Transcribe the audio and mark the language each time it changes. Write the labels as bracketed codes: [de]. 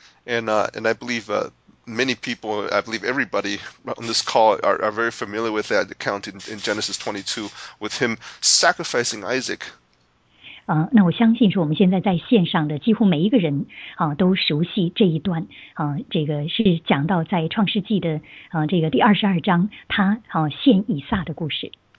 [en] And I believe many people, I believe everybody on this call are very familiar with that account in Genesis 22, with him sacrificing Isaac. [zh] 那我相信说我们现在在线上的几乎每一个人都熟悉这一段这个是讲到在创世纪的这个第二十二章他献以撒的故事。